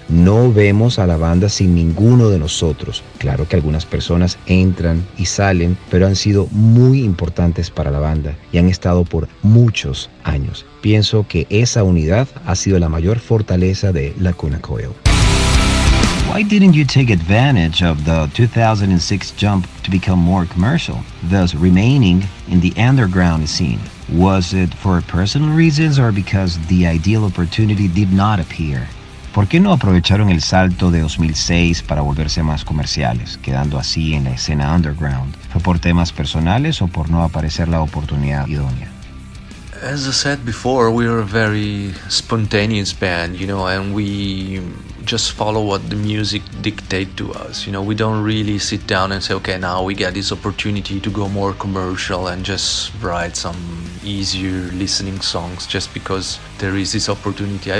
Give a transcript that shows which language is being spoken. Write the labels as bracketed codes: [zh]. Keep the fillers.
[es] No vemos a la banda sin ninguno de nosotros. Claro que algunas personas entran y salen, pero han sido muy importantes para la banda y han estado por muchos años. Pienso que esa unidad ha sido la mayor fortaleza de Lacuna Coil. [en] Why didn't you take advantage of the 2006 jump to become more commercial, thus remaining in the underground scene? Was it for personal reasons or because the ideal opportunity did not appear? [es] ¿Por qué no aprovecharon el salto de 2006 para volverse más comerciales, quedando así en la escena underground? ¿Fue por temas personales o por no aparecer la oportunidad idónea? [en] As I said before, we are a very spontaneous band, you know, and we just follow what the music dictate to us. You know, we don't really sit down and say, okay, now we get this opportunity to go more commercial and just write some easier listening songs just because there is this opportunity.